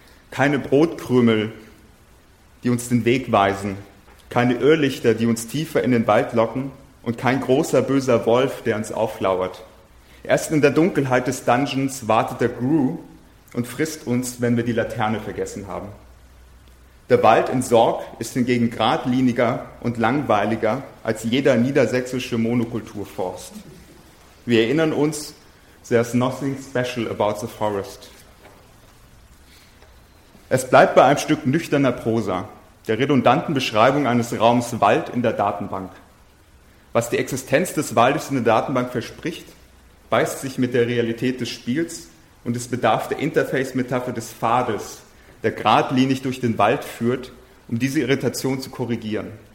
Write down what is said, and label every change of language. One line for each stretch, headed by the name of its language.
German: Keine Brotkrümel, die uns den Weg weisen, keine Irrlichter, die uns tiefer in den Wald locken und kein großer böser Wolf, der uns auflauert. Erst in der Dunkelheit des Dungeons wartet der Gru und frisst uns, wenn wir die Laterne vergessen haben. Der Wald in Sorg ist hingegen geradliniger und langweiliger als jeder niedersächsische Monokulturforst. Wir erinnern uns,
English: there's nothing special about the forest.
German: Es bleibt bei einem Stück nüchterner Prosa, der redundanten Beschreibung eines Raums Wald in der Datenbank. Was die Existenz des Waldes in der Datenbank verspricht, beißt sich mit der Realität des Spiels und es bedarf der Interface-Metapher des Pfades, der geradlinig durch den Wald führt, um diese Irritation zu korrigieren.